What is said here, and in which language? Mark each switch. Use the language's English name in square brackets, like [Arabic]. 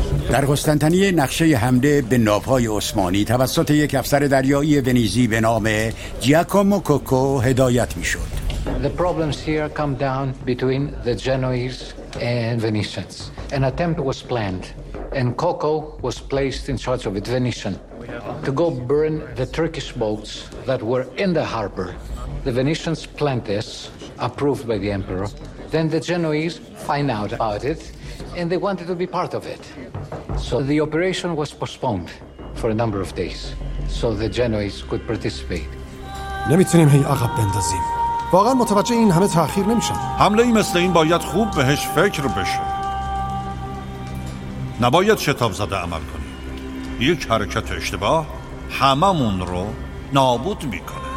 [Persian] در قسطنطنیه نقشه حمله به ناوهای عثمانی توسط یک افسر دریایی ونیزی به نام جیاکومو کوکو هدایت می‌شد. [English] The problems here come down between the Genoese and Venetians. An attempt was planned and Coco was placed in charge of it, Venetian, to go burn the Turkish boats that were in the harbor. The Venetians planned this, approved by the emperor. Then the Genoese find out about it and they wanted to be part of it. So the operation was postponed for a number of days so the Genoese could participate. [Persian] نمیتونیم هی عقب بندازیم. واقعا متوجه این همه تاخیر نمیشن. حمله ای مثل این باید خوب بهش فکر بشه. نباید شتاب زده عمل کنیم. یک حرکت اشتباه هممون رو نابود میکنه.